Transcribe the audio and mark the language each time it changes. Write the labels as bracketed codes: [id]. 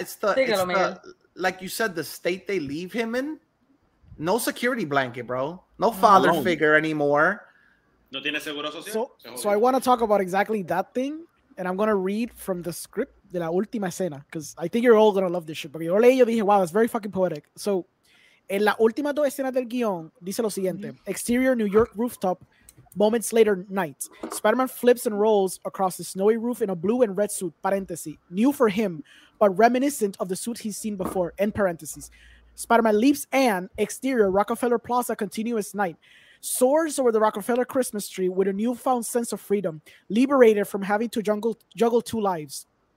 [en] It's the like you said, the state they leave him in. No security blanket, bro. No father figure anymore. [es] No tiene seguro social. [en] So I want to talk about exactly that thing, and I'm going to read from the script [es] de la última escena, [en] because I think you're all going to love this shit. [es] Porque yo leí y dije, [en] wow, that's very fucking poetic. [es] So, en la última dos escenas del guión, dice lo siguiente. [en] Mm-hmm. Exterior New York rooftop. Moments later, night. Spider-Man flips and rolls across the snowy roof in a blue and red suit, parenthesis, new for him, but reminiscent of the suit he's seen before, end parentheses. Spider-Man leaps and, exterior, Rockefeller Plaza, continuous night. Soars over the Rockefeller Christmas tree with a newfound sense of freedom, liberated from having to juggle two lives.